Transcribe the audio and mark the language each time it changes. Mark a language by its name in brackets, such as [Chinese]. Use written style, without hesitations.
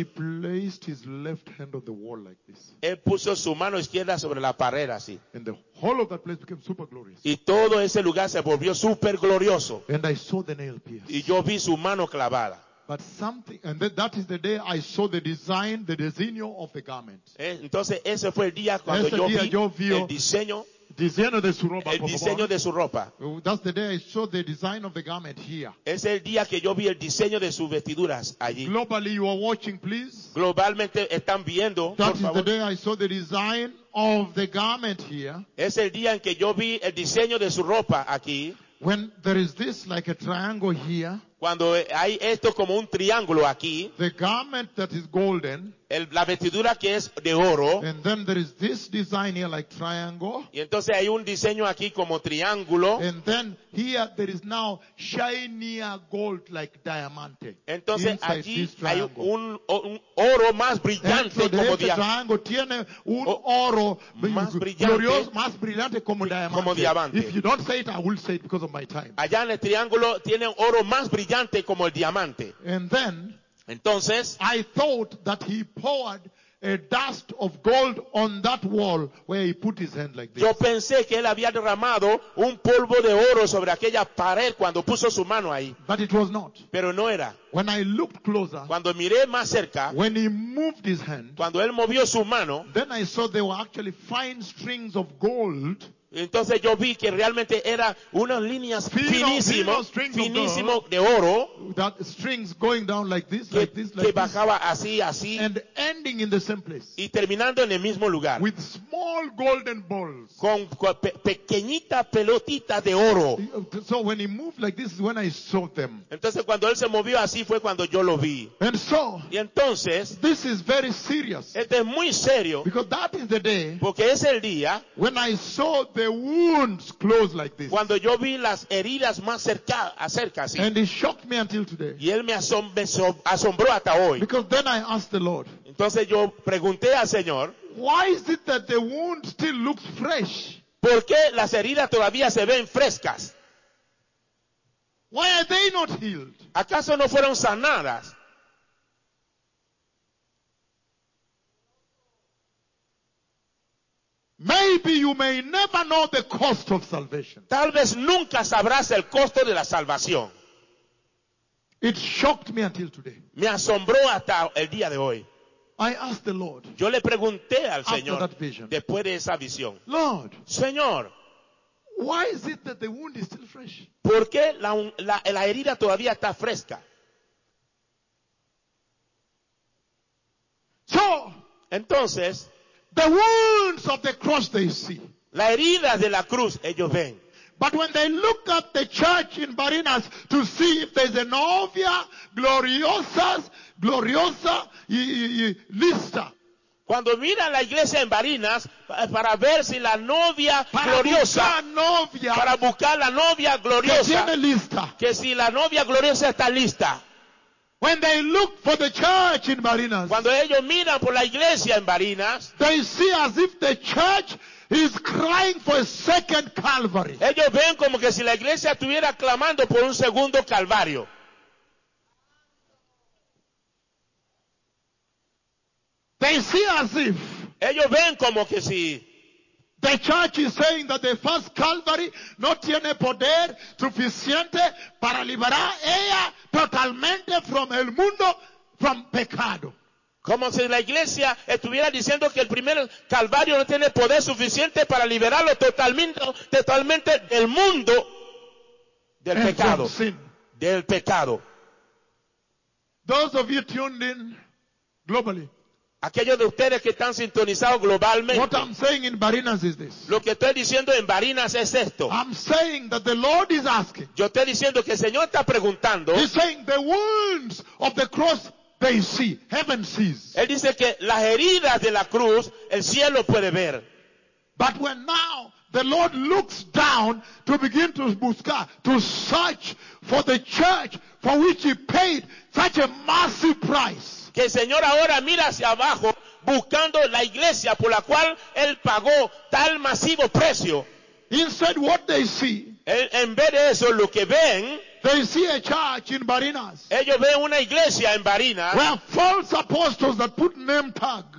[English] He placed his left hand on the wall like this. [Spanish] Él puso su mano izquierda sobre la pared así. [English] And the whole of that place became super glorious. [Spanish] Y todo ese lugar se volvió super glorioso. [English] And I saw the nail pierced. [Spanish] Y yo vi su mano clavada. [English] But something, and that is the day I saw the design, the designio of the garment. [Spanish] Entonces ese fue el día cuando ese yo vi el diseño. El diseño de su ropa. [English] That's the day I saw the design of the garment here. [Spanish] Es el día que yo vi el diseño de sus vestiduras allí. [English] Globally, you are watching, please. [Spanish] Globalmente están viendo. [English] That [Spanish] por [English] is [Spanish] favor. [English] The day I saw the design of the garment here. [Spanish] Es el día en que yo vi el diseño de su ropa aquí. [English] When there is this like a triangle here. [Spanish] Cuando hay esto como un triángulo aquí, [English] the garment that is golden, [Spanish] la vestidura que es de oro, [English] and then there is this design here like triangle, [Spanish] y entonces hay un diseño aquí como triángulo, [English] and then here there is now shinier gold like diamante. [Spanish] Entonces aquí hay un oro más brillante como diamante. Este triángulo tiene un oro más brillante, glorioso, más brillante como diamante. Como diamante. [English] If you don't say it, I will say it because of my time. [Spanish] Allá en el triángulo tiene un oro más brillante como el diamante. [English] And then, [Spanish] entonces, [English] I thought that he poured a dust of gold on that wall where he put his hand like this. [Spanish] Yo pensé que él había derramado un polvo de oro sobre aquella pared cuando puso su mano ahí. [English] But it was not. [Spanish] Pero no era. [English] When I looked closer, [Spanish] cuando miré más cerca, [English] when he moved his hand, [Spanish] cuando él movió su mano, [English] then I saw there were actually fine strings of gold. [Spanish] Entonces yo vi que realmente era unas líneas finísimo de oro que bajaba así [English] and ending in the same place, [Spanish] y terminando en el mismo lugar [English] with small golden balls. [Spanish] Con pequeñita pelotita de oro. [English] So when he moved like this is when I saw them. [Spanish] Entonces cuando él se movió así fue cuando yo lo vi. [English] And so, [Spanish] y entonces [English] this is very serious, [Spanish] este es muy serio, [English] because that is the day, [Spanish] porque es el día [English] when I saw them, the wounds close like this. [Spanish] Cuando yo vi las heridas más cerca, así. [English] And it shocked me until today. [Spanish] Y él me asombró hasta hoy. [English] Because then I asked the Lord. [Spanish] Entonces yo pregunté al Señor. [English] Why is it that the wound still looks fresh? [Spanish] ¿Por qué las heridas todavía se ven frescas? [English] Why are they not healed? [Spanish] ¿Acaso no fueron sanadas? [English] Maybe you may never know the cost of salvation. [Spanish] Tal vez nunca sabrás el costo de la salvación. [English] It shocked me until today. [Spanish] Me asombró hasta el día de hoy. [English] I asked the Lord. [Spanish] Yo le pregunté al Señor [English] after that vision, [Spanish] después de esa visión. [English] Lord, [Spanish] Señor, [English] why is it that the wound is still fresh? [Spanish] ¿Por qué la herida todavía está fresca? [English] So, [Spanish] entonces, [English] the wounds of the cross they see. [Spanish] La herida de la cruz ellos ven. [English] But when they look at the church in Barinas to see if there's a [Spanish] novia gloriosa y lista. Cuando miran la iglesia en Barinas para ver si la novia para gloriosa buscar novia, para buscar la novia gloriosa que tiene lista. Que si la novia gloriosa está lista. [English] When they look for the church in Barinas, [Spanish] cuando ellos miran por la iglesia en Barinas, [English] they see as if the church is crying for a second Calvary. [Spanish] Ellos ven como que si la iglesia estuviera clamando por un segundo Calvario. [English] They see as if [Spanish] ellos ven como que si [English] the church is saying that the first Calvary [Spanish] no tiene poder suficiente para liberar ella totalmente [English] from [Spanish] el mundo, [English] from pecado. [Spanish] Como si la iglesia estuviera diciendo que el primer Calvario no tiene poder suficiente para liberarlo totalmente del mundo, del [English] and [Spanish] pecado. [English] From sin. [Spanish] Del pecado. [English] Those of you tuned in globally. [Spanish] Aquellos de ustedes que están sintonizados globalmente. [English] What I'm saying in Barinas is this. [Spanish] Lo que estoy diciendo en Barinas es esto. [English] I'm saying that the Lord is asking. [Spanish] Yo estoy diciendo que el Señor está preguntando. [English] He's saying the wounds of the cross they see, heaven sees. [Spanish] Él dice que las heridas de la cruz el cielo puede ver. [English] But when now the Lord looks down to begin to buscar, to search for the church for which he paid such a massive price. [Spanish] Que el Señor ahora mira hacia abajo buscando la iglesia por la cual Él pagó tal masivo precio. [English] Instead, what they see, [Spanish] en vez de eso, lo que ven, [English] they see a church in Barinas, [Spanish] ellos ven una iglesia en Barinas [English] where false apostles that put name tag,